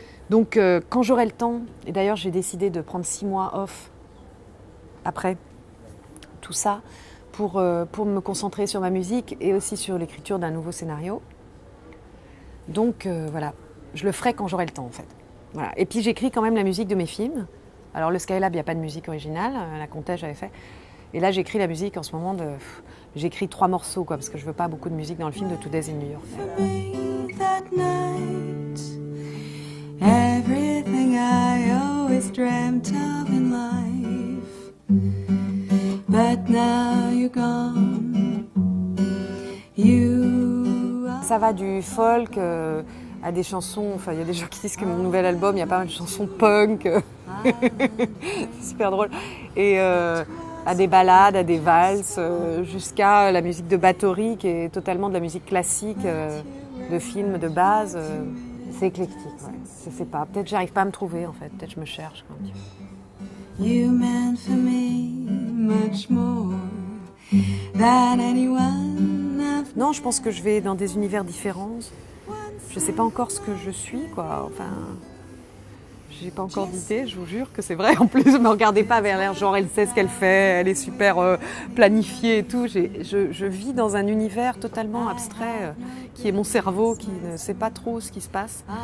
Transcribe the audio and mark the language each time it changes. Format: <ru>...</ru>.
<fr>Donc, quand j'aurai le temps, et d'ailleurs, j'ai décidé de prendre 6 mois off après tout ça pour me concentrer sur ma musique et aussi sur l'écriture d'un nouveau scénario. Donc, voilà, je le ferai quand j'aurai le temps, en fait. Voilà. Et puis, j'écris quand même la musique de mes films. Alors, le Skylab, il n'y a pas de musique originale. La Comté, j'avais fait. Et là, j'écris la musique en ce moment. J'écris 3 morceaux, quoi, parce que je ne veux pas beaucoup de musique dans le film de Today's in New York.</fr> <en>For me that night, everything I always dreamt of in life. But now you're gone. You are...</en> <fr>Ça va du folk à des chansons. Enfin, il y a des gens qui disent que mon nouvel album, il y a pas mal de chansons punk. C'est super drôle. Et à des balades, à des valses, jusqu'à la musique de Bathory, qui est totalement de la musique classique, de film, de base. C'est éclectique, ouais. Je sais pas. Peut-être que j'arrive pas à me trouver, en fait. Peut-être que je me cherche. Quand tu...</fr> <en>You meant for me much more than anyone I've...</en> <fr>Non, je pense que je vais dans des univers différents. Je sais pas encore ce que je suis, quoi. Enfin... J'ai pas encore d'idée, je vous jure que c'est vrai. En plus, ne me regardez pas vers l'air, genre elle sait ce qu'elle fait, elle est super planifiée et tout. Je vis dans un univers totalement abstrait qui est mon cerveau, qui ne sait pas trop ce qui se passe.</fr>